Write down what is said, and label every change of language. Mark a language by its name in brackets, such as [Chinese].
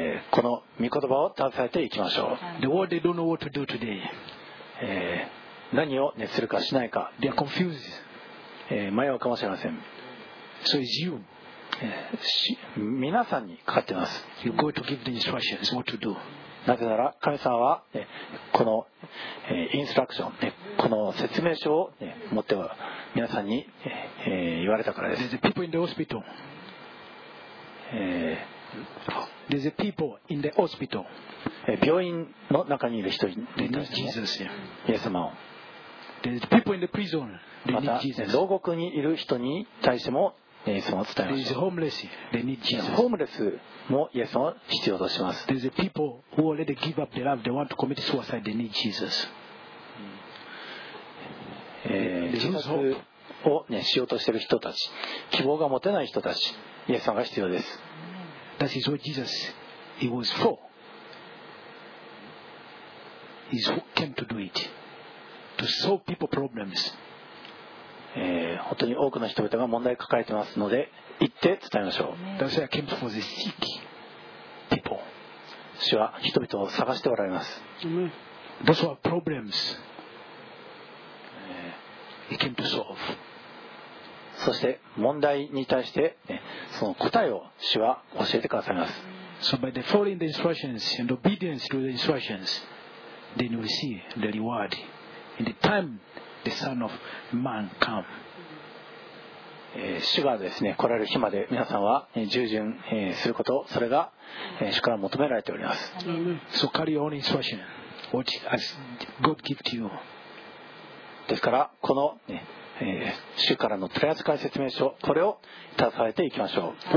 [Japanese] この御言葉を携えていきましょう。 [English] The world, they don't know what to do today. [Japanese] 何を、ね、するかしないか。 [English] They are confused. [Japanese] 迷うかもしれません。 [English] So it's you. [Japanese] 皆さんにかかっています。 [English] You're going to give the instructions what to do. [Japanese] なぜなら神様は、ね、この、インストラクション、ね、この説明書を、ね、持っては皆さんに、言われたからです。 [English] There's people in the hospital. There's a people in the hospital. [Japanese] 病院の中にいる人に、ね、 [English] They need Jesus. [Japanese] イエス様を。 [English] There's the people in the prison. They need Jesus. [Japanese] また牢獄にいる人に対してもイエス様を伝えます。 [English] There's homeless. They need Jesus. [Japanese] ホームレスもイエス様を必要とします。 [English] There's the people who already give up their life. They want to commit suicide. They need Jesus. [Japanese] 自殺を、ね、しようとしている人たち、希望が持てない人たち、イエス様が必要です。 [English] That is what Jesus he was for. He came to do it. To solve people's problems. [Japanese] 本当に多くの人々が問題を抱えていますので、行って伝えましょう。 [English] That's why I came for the sick people. [Japanese] 主は人々を探しておられます。 [English] Those are problems he came to solve. [Japanese] そして問題に対して、ね、その答えを主は教えてくださいます。 [English] So by the following the instructions and obedience to the instructions, then we see the reward in the time the Son of Man come. [Japanese] 主がですね、来られる日まで皆さんは従順すること、それが主から求められております。 [English] So carry on instruction, what has God give to you. [Japanese] ですからこの、ね主からの取り扱い説明書、これを携えていきましょう。